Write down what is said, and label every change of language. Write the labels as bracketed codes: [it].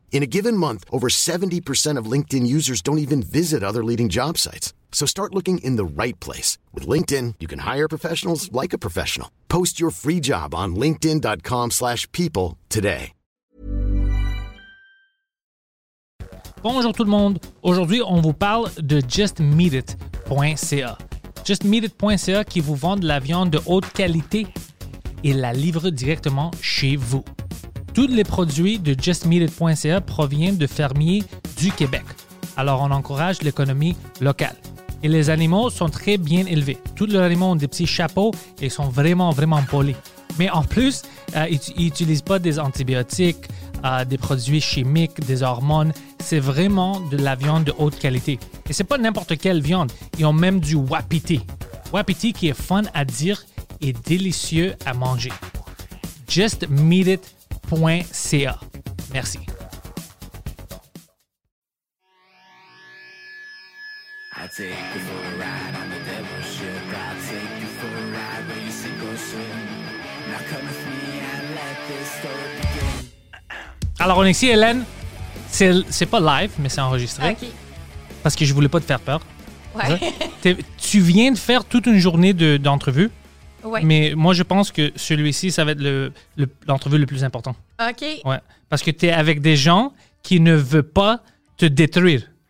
[en] In a given month, over 70% of LinkedIn users don't even visit other leading job sites. So start looking in the right place. With LinkedIn, you can hire professionals like a professional. Post your free job on linkedin.com/people today. [fr] Bonjour tout le monde. Aujourd'hui, on vous parle de JustMeatIt.ca. JustMeatIt.ca qui vous vend de la viande de haute qualité et la livre directement chez vous. Tous les produits de JustMeatIt.ca proviennent de fermiers du Québec. Alors, on encourage l'économie locale. Et les animaux sont très bien élevés. Tous leurs animaux ont des petits chapeaux et sont vraiment, vraiment polis. Mais en plus, ils n'utilisent pas des antibiotiques, des produits chimiques, des hormones. C'est vraiment de la viande de haute qualité. Et c'est pas n'importe quelle viande. Ils ont même du wapiti. Wapiti qui est fun à dire et délicieux à manger. JustMeatIt.ca. Merci. [en] I'll take you for a ride on the devil's ship. I'll take you for a ride where you sink or swim. Now come with me and let this story begin. [fr] Alors, on est ici, Hélène. C'est pas live, mais c'est enregistré. OK. Parce que je voulais pas te faire peur. Ouais. Tu viens de faire toute une journée d'entrevue. Ouais. Mais moi, je pense que celui-ci, ça va être l'entrevue le plus important. OK. Ouais. Parce que t'es avec des gens qui ne veulent pas te détruire.